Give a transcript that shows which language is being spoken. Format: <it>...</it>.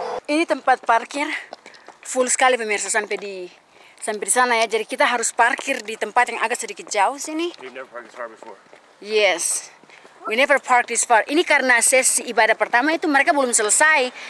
<id>Ini tempat parkir full sekali pemirsa sampai di sana ya. Jadi kita harus parkir di tempat yang agak sedikit jauh sini.</id> <en>You've never parked this far before. Yes. We never parked this far.</en> <id>Ini karena sesi ibadah pertama itu mereka belum selesai.</id>